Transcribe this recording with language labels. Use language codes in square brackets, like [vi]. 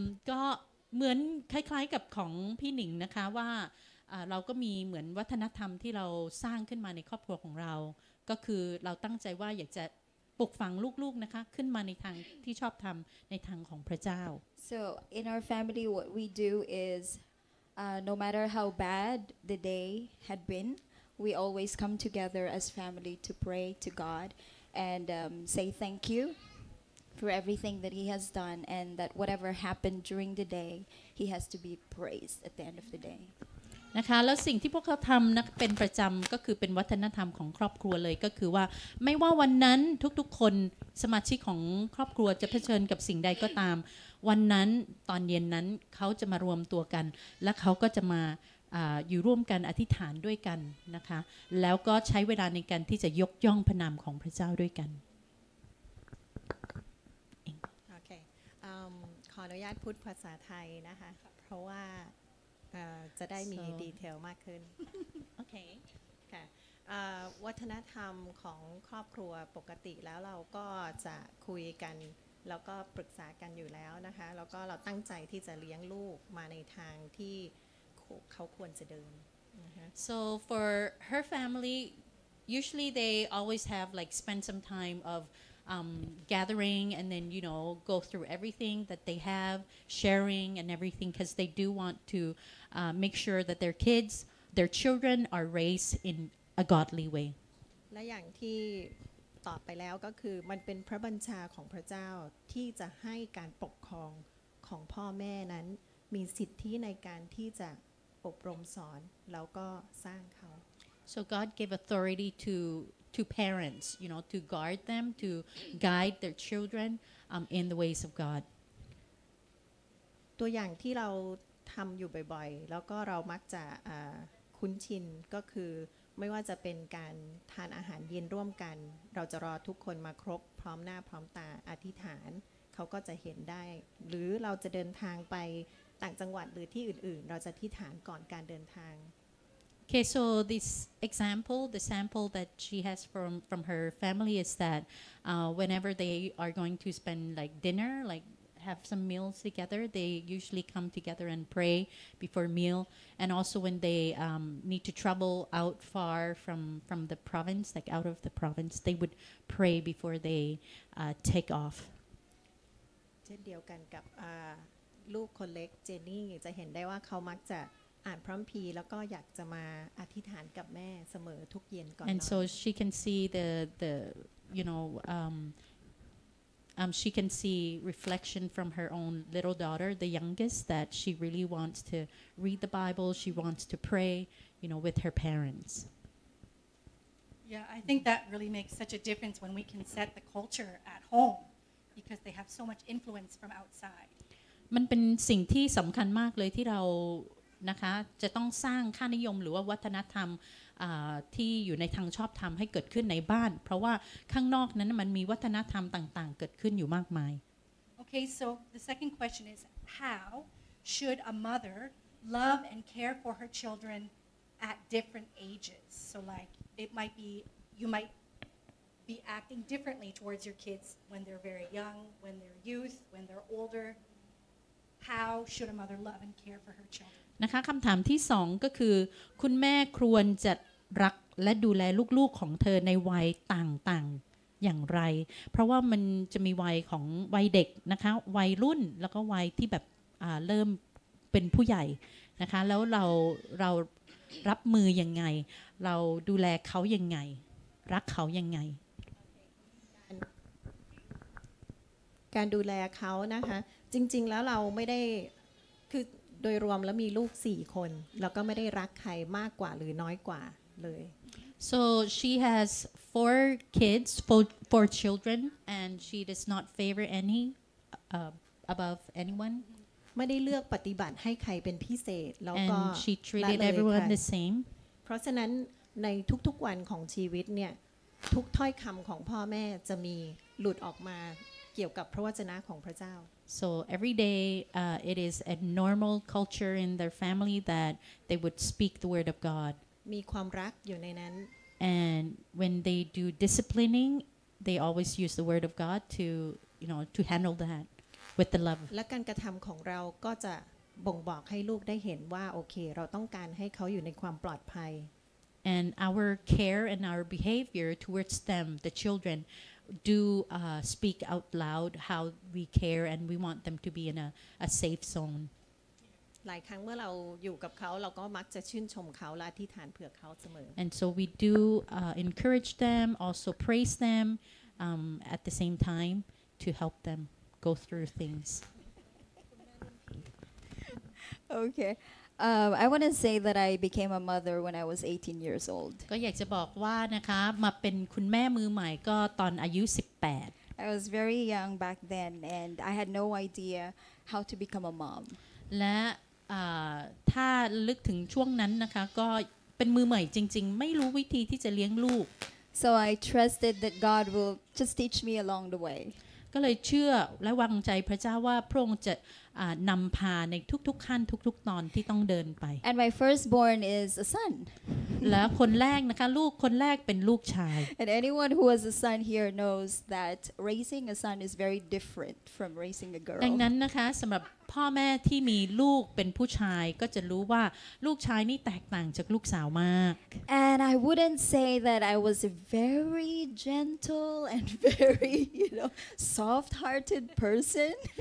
[th] ก็เหมือนคล้ายๆกับของพี่หนิงนะคะว่าเราก็มีเหมือนวัฒนธรรมที่เราสร้างขึ้นมาในครอบครัวของเราก็คือเราตั้งใจว่าอยากจะปลูกฝังลูกๆนะคะขึ้นมาในทางที่ชอบธรรมในทางของพระเจ้า [en] So in our family, what we do isNo matter how bad the day had been, we always come together as family to pray to God and say thank you for everything that He has done and that whatever happened during the day, He has to be praised at the end of the day. [th] นะคะแล้วสิ่งที่พวกเขาทำนะเป็นประจำก็คือเป็นวัฒนธรรมของครอบครัวเลยก็คือว่าไม่ว่าวันนั้นทุกๆคนสมาชิกของครอบครัวจะเผชิญกับสิ่งใดก็ตามวันนั้นตอนเย็นนั้นเขาจะมารวมตัวกันและเขาก็จะมา อยู่ร่วมกันอธิษฐานด้วยกันนะคะแล้วก็ใช้เวลาในการที่จะยกย่องพระนามของพระเจ้าด้วยกัน โอเคขออนุญาตพูดภาษาไทยนะคะเพราะว่าจะได้มีดีเทลมากขึ้น โอเค ค่ะวัฒนธรรมของครอบครัวปกติแล้วเราก็จะคุยกันแล้วก็ปรึกษากันอยู่แล้วนะคะแล้วก็เราตั้งใจที่จะเลี้ยงลูกมาในทางที่เขาควรจะเดิน [en] So for her family usually they always have like spend some time ofgathering and then you know go through everything that they have sharing and everything because they do want to make sure that their kids their children are raised in a godly way [th] และอย่างที่ตอบไปแล้วก็คือมันเป็นพระบัญชาของพระเจ้าที่จะให้การปกครองของพ่อแม่นั้นมีสิทธิในการที่จะอบรมสอนแล้วก็สร้างเขา [en] So God gave authority to parents, you know, to guard them, to guide their children in the ways of God. [th] ตัวอย่างที่เราทำอยู่บ่อยๆแล้วก็เรามักจะคุ้นชินก็คือไม่ว่าจะเป็นการทานอาหารเย็นร่วมกันเราจะรอทุกคนมาครบพร้อมหน้าพร้อมตาอธิษฐานเขาก็จะเห็นได้หรือเราจะเดินทางไปต่างจังหวัดหรือที่อื่นๆเราจะอธิษฐานก่อนการเดินทาง [en] Okay, so this example, the sample that she has from her family is that whenever they are going to spend like dinner, like have some meals together, they usually come together and pray before meal. And also when they need to travel out far from the province, like out of the province, they would pray before they take off. [th] เช่นเดียวกันกับลูกคนเล็กเจนนี่จะเห็นได้ว่าเขามักจะ่านพระคัมภีร์แล้วก็อยากจะมาอธิษฐานกับแม่เสมอทุกเย็นก่อนนอน [en] And so she can see the you know she can see reflection from her own little daughter the youngest that she really wants to read the Bible she wants to pray you know with her parents Yeah I think that really makes such a difference when we can set the culture at home because they have so much influence from outside [th] มันเป็นสิ่งที่สำคัญมากเลยที่เรานะคะจะต้องสร้างค่านิยมหรือว่าวัฒนธรรมที่อยู่ในทางชอบธรรมให้เกิดขึ้นในบ้านเพราะว่าข้างนอกนั้นมันมีวัฒนธรรมต่างๆเกิดขึ้นอยู่มากมาย [en] Okay so the second question is how should a mother love and care for her children at different ages so like it might be you might be acting differently towards your kids when they're very young when they're youth when they're older how should a mother love and care for her children [th] นะคะคำถามที่สองก็คือคุณแม่ควรจะรักและดูแลลูกๆของเธอในวัยต่างๆอย่างไรเพราะว่ามันจะมีวัยของวัยเด็กนะคะวัยรุ่นแล้วก็วัยที่แบบเริ่มเป็นผู้ใหญ่นะคะแล้วเรารับมือยังไงเราดูแลเขายังไงรักเขายังไง การดูแลเขานะคะจริงๆแล้วเราไม่ได้คือโดยรวมแล้วมีลูก4คนแล้วก็ไม่ได้รักใครมากกว่าหรือน้อยกว่าเลย [en] So she has 4 kids four children and she does not favor any above anyone [th] ไม่ได้เลือกปฏิบัติให้ใครเป็นพิเศษแล้วก็ [en] And she treated everyone the same [th] เพราะฉะนั้นในทุกๆวันของชีวิตเนี่ยทุกถ้อยคำของพ่อแม่จะมีหลุดออกมาเกี่ยวกับพระวจนะของพระเจ้า [en] So every day it is a normal culture in their family that they would speak the word of God [th] มีความรักอยู่ในนั้น [en] And when they do disciplining they always use the word of God to you know to handle that with the love [th] และการกระทําของเราก็จะบ่งบอกให้ลูกได้เห็นว่าโอเคเราต้องการให้เขาอยู่ในความปลอดภัย [en] And our care and our behavior towards them the childrenDo speak out loud how we care and we want them to be in a safe zone. [th] หลายครั้งเมื่อเราอยู่กับเขาเราก็มักจะชื่นชมเขาและอธิษฐานเผื่อเขาเสมอ [en] And so we do encourage them, also praise them at the same time to help them go through things. okay, I want to say that I became a mother when I was 18 years old. [th] ก็อยากจะบอกว่านะคะมาเป็นคุณแม่มือใหม่ก็ตอนอายุ18 [en] I was very young back then and I had no idea how to become a mom. [th] และถ้าลึกถึงช่วงนั้นนะคะก็เป็นมือใหม่จริงๆไม่รู้วิธีที่จะเลี้ยงลูก [en] So I trusted that God will just teach me along the way. [th] ก็เลยเชื่อและวางใจพระเจ้าว่าพระองค์จะนำพาในทุกๆขั้นทุกๆตอนที่ต้องเดินไป [en] And my firstborn is a son [th] และคนแรกนะคะลูกคนแรกเป็นลูกชาย [en] And anyone who has a son here knows that raising a son is very different from raising a girl [th] ดังนั้นนะคะสำหรับพ่อแม่ที่มีลูกเป็นผู้ชายก็จะรู้ว่าลูกชายนี่แตกต่างจากลูกสาวมาก [en] And I wouldn't say that I was a very gentle and very you know soft-hearted person